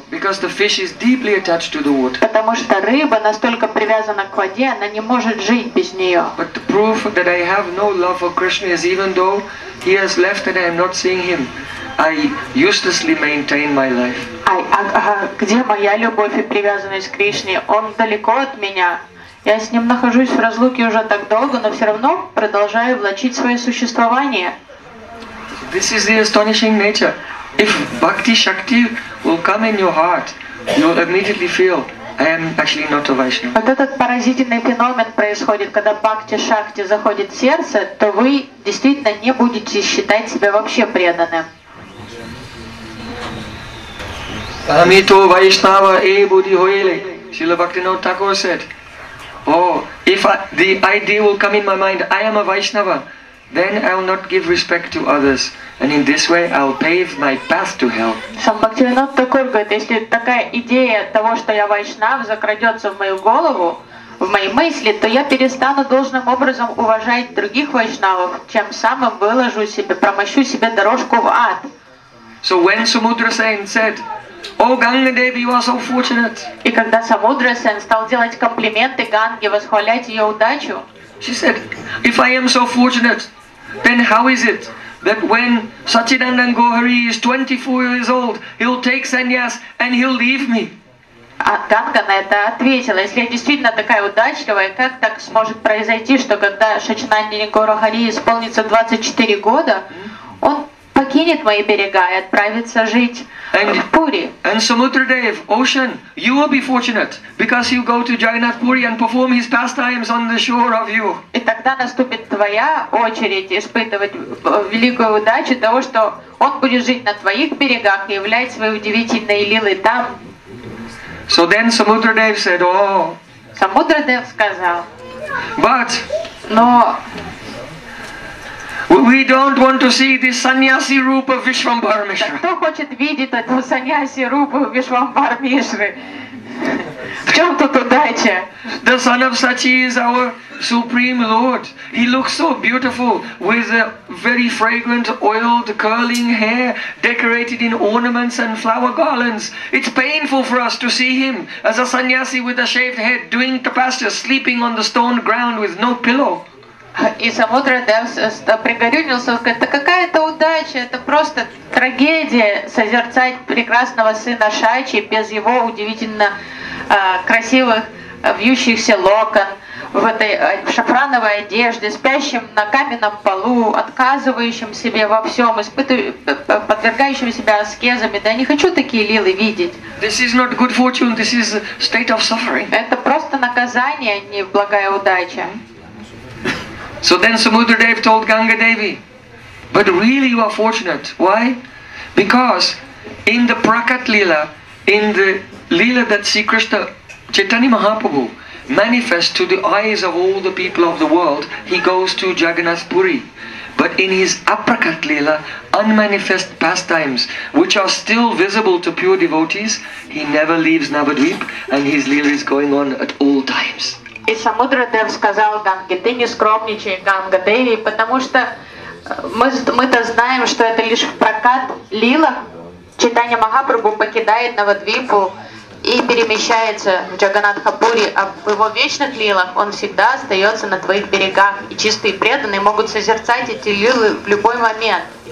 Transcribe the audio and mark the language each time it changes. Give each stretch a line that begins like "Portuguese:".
English: Because the fish is deeply attached to the water.
Russian: Потому что рыба настолько привязана к воде, она не может жить без нее.
English: But the proof that I have no love for Krishna is even though he has left and I am not seeing him. I uselessly maintain my life.
Russian: Где моя любовь и привязанность к Кришне? Он далеко от меня. Я с ним нахожусь в разлуке уже так долго, но все равно продолжаю влачить свое существование.
English: This is the astonishing nature. If bhakti shakti will come in your heart, you'll immediately feel I am actually not a Vaishnava.
Russian: Вот этот поразительный феномен происходит, когда бхакти шакти заходит в сердце, то вы действительно не будете считать себя вообще преданным.
Bangla: Амито Вайшнава и Буди Хуэле.
English: Шрила Бхактинода Тхакур said, oh, if the idea will come in my mind, I am a Vaishnava, then I will not give respect to others. And in this way, I will pave my path to hell.
Russian: Сам Бхактинода Тхакур говорит, если такая идея того, что я Вайшнав, закрадется в мою голову, в мои мысли, то я перестану должным образом уважать других вайшнавов, чем самым выложу себе, промощу себе дорожку в ад.
English: So when Samudra Sen said, "Oh Ganga Devi, you are so fortunate."
Russian: И когда Самудра Сен стал делать комплименты Ганге, восхвалять ее удачу,
English: she said, "If I am so fortunate, then how is it that when Satchidananda Gohari is 24 years old, he'll take sannyas and he'll leave me?"
Russian: А Ганга на это ответила: если я действительно такая удачливая, как так сможет произойти, что когда Сачинананда Гохари исполнится 24 года, он покинет мои берега и отправится жить
English: and,
Russian: в Пури?
English: And Samudradev, ocean, you will be fortunate because you go to Jagannath Puri and perform his pastimes on the shore of you.
Russian: И тогда наступит твоя очередь испытывать великую удачу того, что он будет жить на твоих берегах и являть свои удивительные лилы там.
English: So then Samudradev said, "Oh."
Russian: Samudradev сказал.
English: But.
Russian: Но.
English: We don't want to see this sannyasi rupa Vishvambhara Mishra.
Russian: Кто хочет видеть эту sannyasi rupa Vishvambhara Mishra? В чем тут удача?
English: The son of Sachi is our supreme lord. He looks so beautiful with a very fragrant oiled curling hair decorated in ornaments and flower garlands. It's painful for us to see him as a sannyasi with a shaved head doing tapasya, sleeping on the stone ground with no pillow.
Russian: И Самудра Дев пригорюнился, говорит, да какая это удача, это просто трагедия созерцать прекрасного сына Шачи без его удивительно красивых вьющихся локон, в этой шафрановой одежде, спящим на каменном полу, отказывающим себе во всем, подвергающим себя аскезами. Да я не хочу такие лилы видеть.
English: This is not good fortune, this is a state of suffering.
Russian: Это просто наказание, не благая удача.
English: So then Samudradev told Ganga Devi, but really you are fortunate. Why? Because in the Prakat Lila, in the Lila that Sri Krishna Chaitanya Mahaprabhu manifests to the eyes of all the people of the world, he goes to Jagannath Puri. But in his Aprakat Lila, unmanifest pastimes, which are still visible to pure devotees, he never leaves Navadvip and his Lila is going on at all times.
Russian: И Самудра Дев сказал Ганге, ты не скромничай, Ганга Деви, потому что мы-то знаем, что это лишь в прокат лилах Чайтанья Махапрабху покидает Навадвипу и перемещается в Джаганатхапури, а в его вечных лилах он всегда остается на твоих берегах, и чистые преданные могут созерцать эти лилы в любой момент.